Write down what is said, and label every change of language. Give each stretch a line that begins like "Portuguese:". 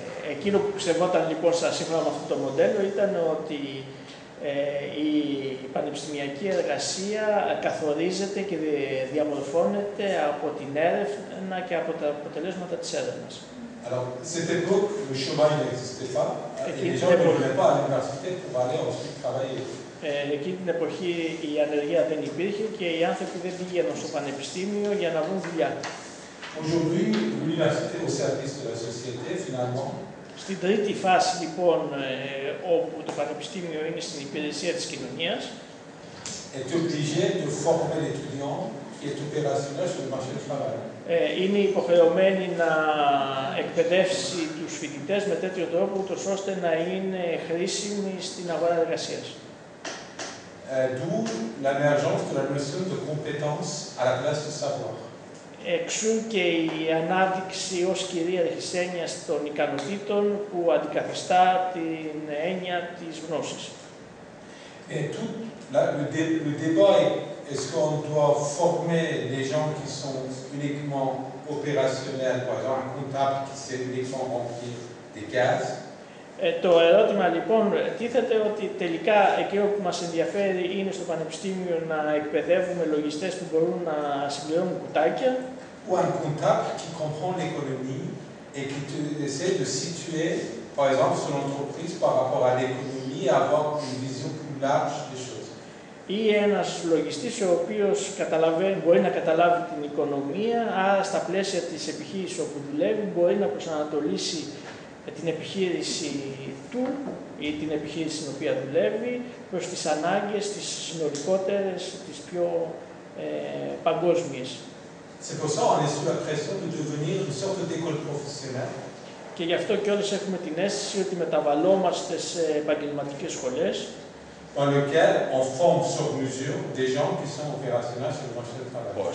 Greek: Εκείνο που ξεβόταν λοιπόν σαν σύμφωνα με αυτό το μοντέλο ήταν ότι η πανεπιστημιακή εργασία καθορίζεται και διαμορφώνεται από την έρευνα και από τα αποτελέσματα της έρευνας.
French: Alors, cette époque, le chemin n'existait pas. Les gens ne venaient pas à l'université pour aller ensuite travailler.
Greek: Εκείνη την εποχή η ανεργία δεν υπήρχε και οι άνθρωποι δεν πήγαιναν στο πανεπιστήμιο για να βρουν δουλειά.
French: Aujourd'hui, l'université au service de la société, finalement.
Greek: Στην τρίτη φάση, λοιπόν, όπου το πανεπιστήμιο είναι στην υπηρεσία της κοινωνίας,
French: est obligé de former l'étudiant qui est opérationnel sur le marché du travail.
Greek: Είναι υποχρεωμένη να εκπαιδεύσει τους φοιτητές με τέτοιο τρόπο, ώστε να είναι χρήσιμοι στην αγορά εργασίας.
French: D'où l'émergence de la notion de compétence à la place du savoir.
Greek: Εξού και η ανάδειξη ως κυρίαρχης έννοιας των ικανοτήτων που αντικαθιστά την έννοια της γνώσης.
French: Et tout là, le débat est, est-ce qu'on doit former les gens qui sont uniquement opérationnels, par exemple un comptable qui sait uniquement remplir des cases.
Greek: Το ερώτημα λοιπόν τίθεται ότι τελικά εκείνο που μας ενδιαφέρει είναι στο πανεπιστήμιο να εκπαιδεύουμε λογιστές που μπορούν να συμπληρώνουν κουτάκια.
French: Ou un comptable qui comprend l'économie et qui essaie de situer, par exemple, son entreprise par rapport à l'économie et avoir une vision plus large des choses.
Greek: Ή ένας λογιστής ο οποίος μπορεί να καταλάβει την οικονομία, άρα στα πλαίσια της επιχείρησης όπου δουλεύει μπορεί να προσανατολίσει την επιχείρηση του ή την επιχείρηση στην οποία δουλεύει προς τις ανάγκες, τις συνολικότερες, τις πιο παγκόσμιες.
French: C'est pour ça on est sous la pression de devenir une sorte d'école professionnelle.
Greek: Και γι' αυτό κιόλας έχουμε την αίσθηση ότι μεταβαλλόμαστε σε επαγγελματικές σχολές.
French: Dans lequel on forme sur mesure des gens qui sont opérationnels sur le marché du travail.